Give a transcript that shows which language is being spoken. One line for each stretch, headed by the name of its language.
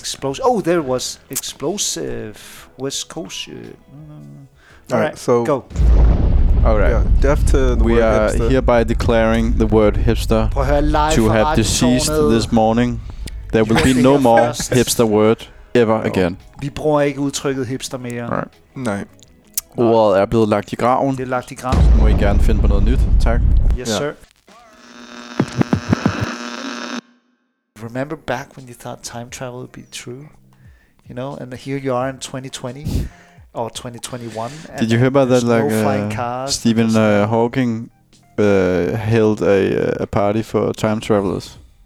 English: Explosion. Oh, there was explosive. West Coast shit. All right, so go. All right. Yeah, deaf to the we word hipster. We are hereby declaring the word hipster to have deceased this morning. There will be no more hipster word ever again.
Danish: Vi bruger ikke udtrykket hipster mere. Nej. Ordet er blevet lagt i graven. Det er lagt i graven. Så må I gerne finde på noget nyt. Tak.
English: Yes, sir. Remember back when you thought time travel would be true? You know, and here you are in 2020 or 2021. Did you hear about that, like, Stephen Hawking held a party for time travelers?